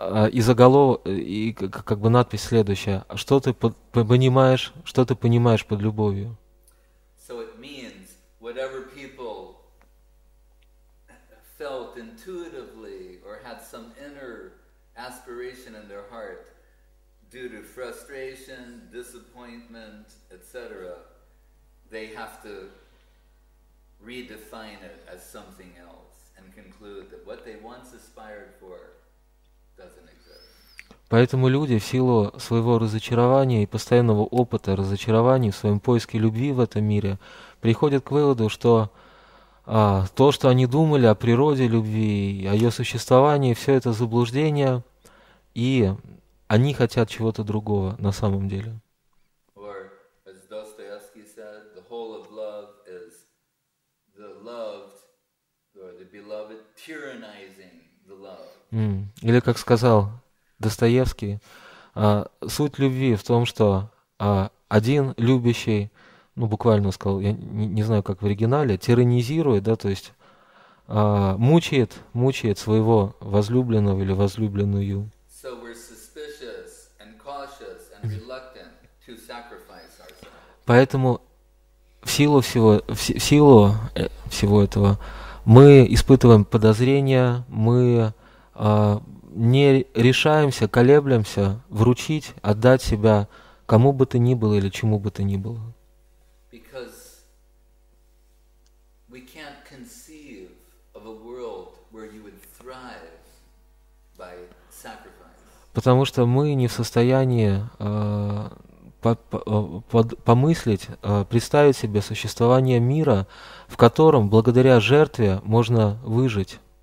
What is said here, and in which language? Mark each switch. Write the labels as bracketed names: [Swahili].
[Russian] И надпись следующая: что ты понимаешь, под любовью? [English] So it means whatever people felt intuitively or had some inner aspiration in their heart. Due to frustration, disappointment, etc., they have to redefine it as something else and conclude that what they once aspired for doesn't exist. [Russian] Поэтому люди в силу своего разочарования и постоянного опыта разочарований в своем поиске любви в этом мире приходят к выводу, что то, что они думали о природе любви, о ее существовании, все это заблуждение, и они хотят чего-то другого на самом деле. [English] Or, as Dostoevsky said, the whole of love is the loved, or the beloved tyrannizing the love. [Russian] Или как сказал Достоевский, суть любви в том, что один любящий, ну, буквально сказал, я не знаю, как в оригинале, тиранизирует, да, то есть мучает своего возлюбленного или возлюбленную. [English] So we're suspicious and cautious and reluctant to sacrifice ourselves. [Russian] Поэтому в силу всего этого мы испытываем подозрения, мы не решаемся, колеблемся вручить, отдать себя кому бы то ни было или чему бы то ни было. [English] Because we can't conceive of a world where you would thrive by sacrifice. [Russian] Потому что мы не в состоянии помыслить, представить себе существование мира, в котором благодаря жертве можно выжить.